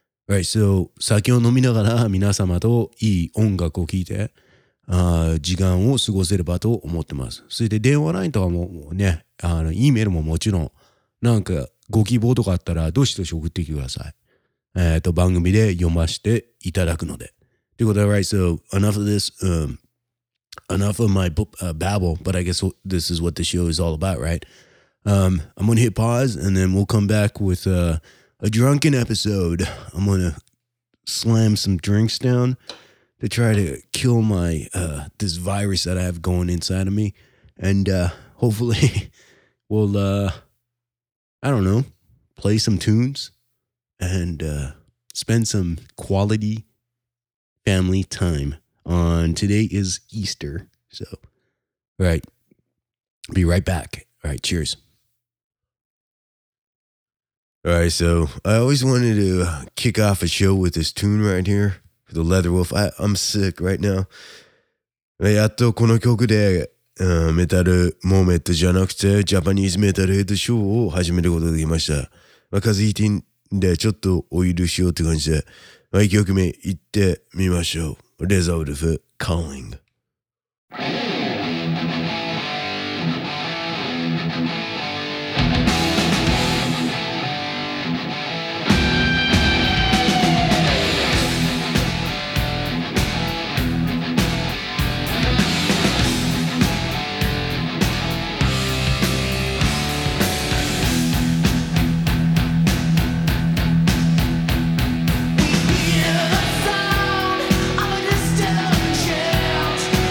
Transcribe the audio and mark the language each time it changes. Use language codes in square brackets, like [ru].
[en] Right, so [ja] 酒を飲みながら皆様といい音楽を聴いて、時間を過ごせればと思ってます。それで電話ラインとかもね、E メールももちろん、なんかご希望とかあったらどしどし送ってきてください。番組で読ませていただくので。ということで、 [en] right, so enough of this, enough of my babble, but I guess this is what the show is all about, right? I'm gonna hit pause and then we'll come back with, a drunken episode. I'm gonna slam some drinks down to try to kill my this virus that I have going inside of me, and hopefully we'll I don't know, play some tunes and spend some quality family time. On today is Easter, so all right, be right back. All right, cheers. All right, so I always wanted to kick off a show with this tune right here, The Leather Wolf. I'm sick right now. [ja] やっとこの曲でメタルモーメントじゃなくてジャパニーズメタルヘッドショーを始めることができました。まあ、風邪ひいてんでちょっとお許しをって感じで、まあ、1曲目行ってみましょう。レザーウルフ、カーリング。 [en] We hear the sound of a distant chant.